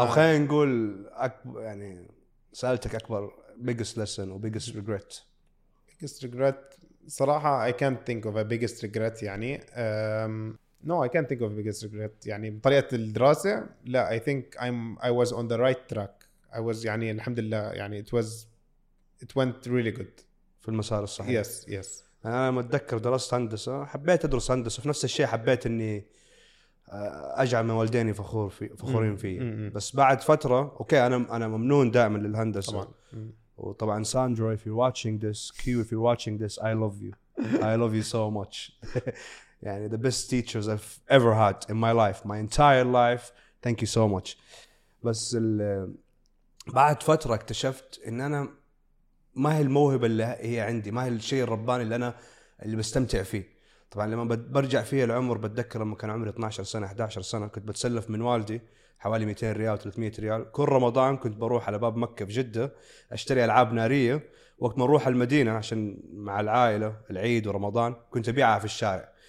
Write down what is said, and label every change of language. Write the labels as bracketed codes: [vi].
[ar] أو خلينا نقول أكبر، يعني سألتك أكبر [en] biggest lesson [ar] و [en] biggest regret. biggest regret صراحة I can't think of a biggest regret، يعني no I can't think of a biggest regret، يعني [ar] بطريقة الدراسة لا [en] I think I was on the right track I was يعني الحمد لله يعني it went really good [ar] في المسار الصحيح. [en] yes yes [ar] أنا لما أتذكر درست هندسة حبيت أدرس هندسة، في نفس الشيء حبيت إني أجعل من والديني فخورين فيه. بس بعد فترة أوكي أنا ممنون دائما للهندسة طبعا. [en] وطبعا Sandra if you're watching this Q if you're watching this I love you so much يعني the best teachers I've ever had in my life my entire life thank you so much. [ar] بس بعد فترة اكتشفت ان انا ما هي الموهبة اللي هي عندي، ما هي الشيء الرباني اللي انا اللي بستمتع فيه. طبعا لما برجع فيه العمر بتذكر لما كان عمري 12 سنة 11 سنة كنت بتسلف من والدي حوالي 200 ريال 300 ريال كل رمضان، كنت بروح على باب مكة في جدة اشتري العاب نارية، وقت ما اروح المدينة عشان مع العائلة العيد ورمضان كنت ابيعها في الشارع.